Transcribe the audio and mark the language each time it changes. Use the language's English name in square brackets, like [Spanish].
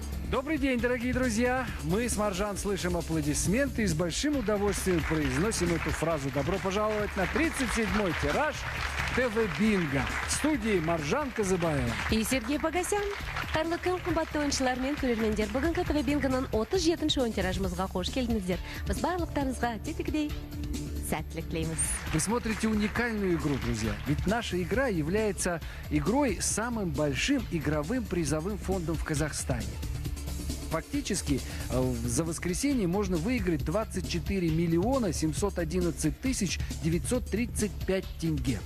[Russian] Добрый день, дорогие друзья. Мы с Маржан слышим аплодисменты и с большим удовольствием произносим эту фразу. Добро пожаловать на 37-й тираж ТВ Бинго. В студии Маржан Казыбаева. И Сергей Погосян. [Kazakh] Қайырлы күн, қымбатты ойыншылар мен көрермендер. Бүгінгі ТВ Бингоның 37-ші тиражымызға қош келдіңіздер. Біз барлықтарыңызға тетігідей. [Russian] Вы смотрите уникальную игру, друзья. Ведь наша игра является игрой с самым большим игровым призовым фондом в Казахстане. Фактически, за воскресенье можно выиграть 24 711 935 тенге.